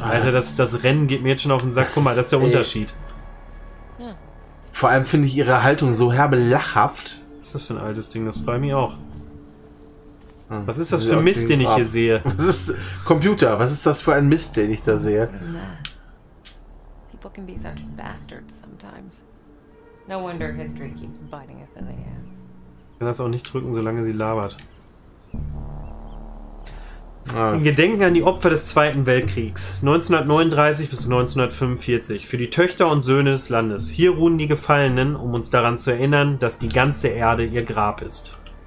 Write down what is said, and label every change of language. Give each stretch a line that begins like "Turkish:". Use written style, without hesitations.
German: Alter, das Rennen geht mir jetzt schon auf den Sack. Guck mal, das ist der Unterschied. Ja. Vor allem finde ich ihre Haltung so herbe lachhaft. Was ist das für ein altes Ding? Das freut mich auch. Was ist das für Mist, den ich hier sehe? Was ist, Computer, was ist das für ein Mist, den ich da sehe?
English: People can be such bastards sometimes. No wonder history keeps biting us in the ass.
German: Ich kann das auch nicht drücken, solange sie labert. In Gedenken an die Opfer des Zweiten Weltkriegs, 1939 bis 1945, für die Töchter und Söhne des Landes. Hier ruhen die Gefallenen, um uns daran zu erinnern, dass die ganze Erde ihr Grab ist.